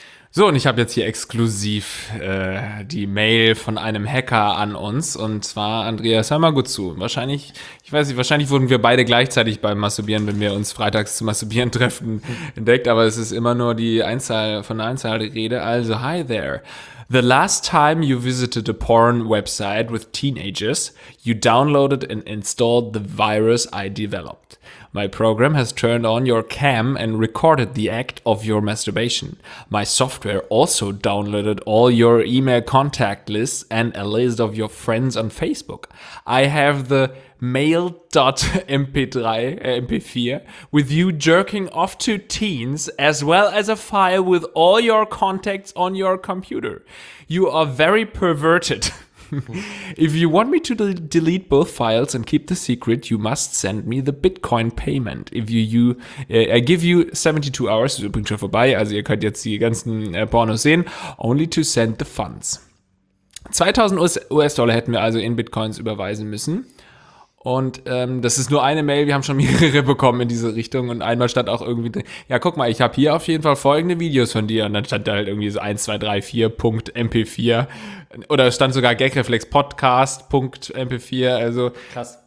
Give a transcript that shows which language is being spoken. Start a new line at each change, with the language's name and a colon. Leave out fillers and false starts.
German: So, und ich habe jetzt hier exklusiv die Mail von einem Hacker an uns, und zwar Andreas, hör mal gut zu. Wahrscheinlich, ich weiß nicht, wahrscheinlich wurden wir beide gleichzeitig beim Masturbieren, wenn wir uns freitags zum Masturbieren treffen, entdeckt, aber es ist immer nur die Einzahl von der Einzahl der Rede.
English: Also, hi there. The last time you visited a porn website with teenagers, you downloaded and installed the virus I developed. My program has turned on your cam and recorded the act of your masturbation. My software also downloaded all your email contact lists and a list of your friends on Facebook. I have the mail.mp4 with you jerking off to teens, as well as a file with all your contacts on your computer. You are very perverted. If you want me to delete both files and keep the secret, you must send me the Bitcoin payment. I give you 72 hours,
German: ist übrigens schon vorbei, also ihr könnt jetzt die ganzen Pornos sehen,
English: only to send the funds.
German: 2000 US-Dollar hätten wir also in Bitcoins überweisen müssen. Und das ist nur eine Mail, wir haben schon mehrere bekommen in diese Richtung, und einmal stand auch irgendwie, ja guck mal, ich habe hier auf jeden Fall folgende Videos von dir, und dann stand da halt irgendwie so 1234.mp4 oder es stand sogar gagreflexpodcast.mp4, also krass.